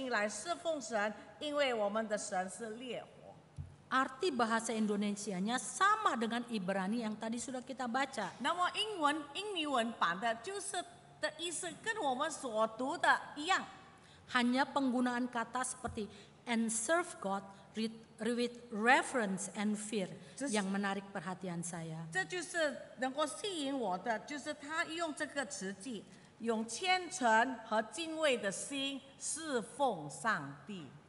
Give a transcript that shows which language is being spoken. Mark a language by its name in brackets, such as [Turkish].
[Chinese] 所以我们既得了那不能整动的国，就当感恩，照神所喜悦的，用虔诚敬畏的心来侍奉神，因为我们的神是烈火. [Indonesian] Arti bahasa Indonesianya sama dengan Ibrani yang tadi sudah kita baca. [Chinese] 那么英文版的就是的意思跟我们所读的一样. [Indonesian] Hanya penggunaan kata seperti [English] and serve God with reverence and fear [Indonesian] yang menarik perhatian saya. [Chinese] 这就是能够吸引我的，就是他用这个词句，用虔诚和敬畏的心侍奉上帝.